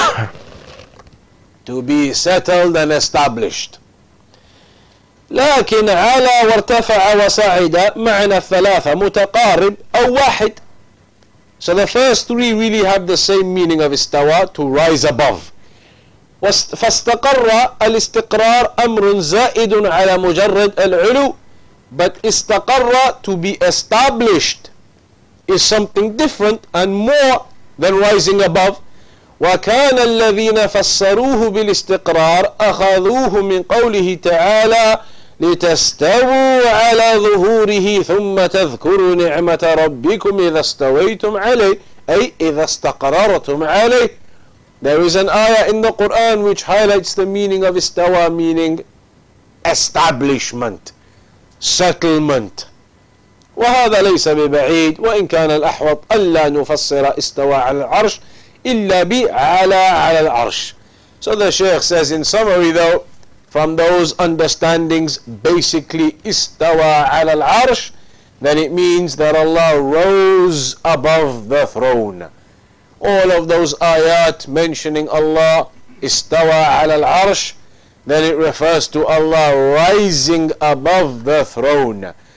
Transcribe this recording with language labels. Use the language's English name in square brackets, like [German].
[English] وَاسْتَقَرَّ, to be settled and established. [Arabic] لكن على وارتفع وصعد معنى الثلاثة متقارب أو واحد. [English] So the first three really have the same meaning of استوى, to rise above. [Arabic] فاستقر, الاستقرار أمر زائد على مجرد العلو, [English] but استقر, to be established, is something different and more than rising above. [Arabic] وكان الذين فسروه بالاستقرار أخذوه من قوله تعالى لتستووا على ظهوره ثم تذكروا نعمة ربكم إذا استويتم عليه, أي إذا استقررتم عليه. [English] There is an ayah in the Quran which highlights the meaning of istawa, meaning establishment, settlement. [Arabic] وهذا ليس ببعيد, وإن كان الأحوط ألا نفسر استوى على العرش إلا بعلى على العرش. [English] So the Sheikh says in summary though, from those understandings, basically istawa ala al-arsh, then it means that Allah rose above the throne. All of those ayat mentioning Allah istawa ala al-arsh, then it refers to Allah rising above the throne.